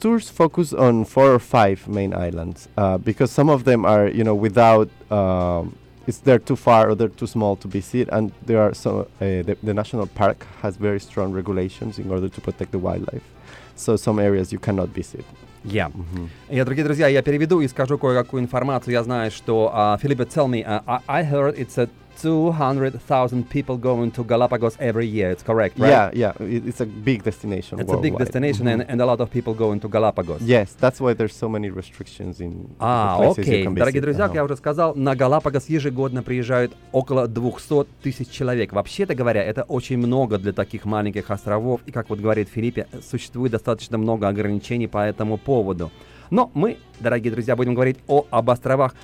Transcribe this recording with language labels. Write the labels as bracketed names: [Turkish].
[English] tours focus on 4 or 5 main islands because some of them are, you know, without, they're too far or they're too small to visit. And there are some, the national park has very strong regulations in order to protect the wildlife. So some areas you cannot visit. Yeah. Mm-hmm. [Russian] Дорогие друзья, я переведу и скажу кое-какую информацию. Я знаю, что, [English] Филиппе, tell me, I heard it's a 200,000 people going to Galapagos every year. It's correct, right? Yeah, yeah. It's a big destination It's worldwide. A big destination and a lot of people going to Galapagos. Yes, that's why there's so many restrictions in places okay. you can visit. Okay. [Russian] Дорогие друзья, я уже сказал, на Галапагос ежегодно приезжают около 200 тысяч человек. Вообще-то говоря, это очень много для таких маленьких островов. И как вот говорит Филиппе, существует достаточно много ограничений по этому поводу. Но мы, дорогие друзья, будем говорить об островах.